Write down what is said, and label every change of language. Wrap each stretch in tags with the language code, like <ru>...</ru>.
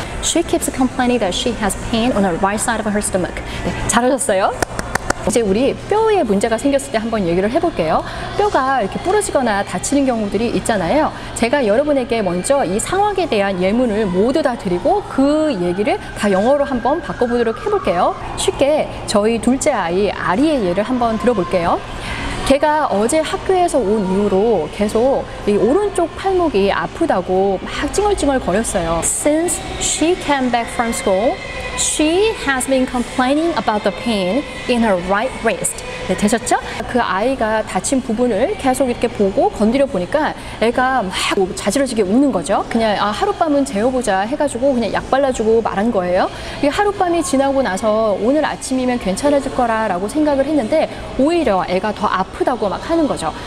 <en>she keeps complaining that she has pain on the right side of her stomach</en> <ko>네, 잘하셨어요. 이제 우리 뼈에 문제가 생겼을 때 한번 얘기를 해볼게요. 뼈가 이렇게 부러지거나 다치는 경우들이 있잖아요. 제가 여러분에게 먼저 이 상황에 대한 예문을 모두 다 드리고 그 얘기를 다 영어로 한번 바꿔보도록 해볼게요. 쉽게 저희 둘째 아이 아리의 예를 한번 들어볼게요. 걔가 어제 학교에서 온 이후로 계속 이 오른쪽 팔목이 아프다고 막 찡얼찡얼 거렸어요.</ko> <en>Since she came back from school, she has been complaining about the pain in her right wrist.</en> <ko>네, 되셨죠? 그 아이가 다친 부분을 계속 이렇게 보고 건드려 보니까 애가 막 자지러지게 웃는 거죠. 그냥 아, 하룻밤은 재워보자 해가지고 그냥 약 발라주고 말한 거예요. 이게 하룻밤이 지나고 나서 오늘 아침이면 괜찮아질 거라라고 생각을 했는데 오히려 애가 더 아프다고 막 하는 거죠.</ko>